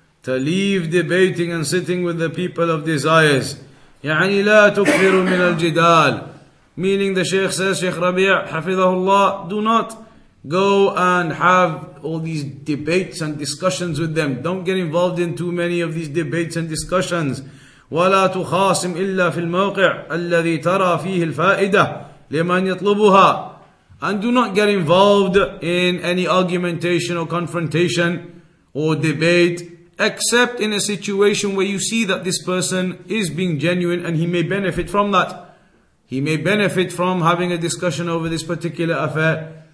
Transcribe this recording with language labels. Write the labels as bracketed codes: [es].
[en] To leave debating and sitting with the people of desires. [ar] يَعَنِي لَا تُكْفِرُ مِنَ الْجِدَالِ. [en] Meaning the Shaykh says, Shaykh Rabi' حَفِظَهُ اللَّهُ, do not go and have all these debates and discussions with them. Don't get involved in too many of these debates and discussions. [ar] ولا تخاصم إلا في الموقع الذي ترى فيه الفائدة لمن يطلبها. [en] And do not get involved in any argumentation or confrontation or debate except in a situation where you see that this person is being genuine and he may benefit from that. He may benefit from having a discussion over this particular affair.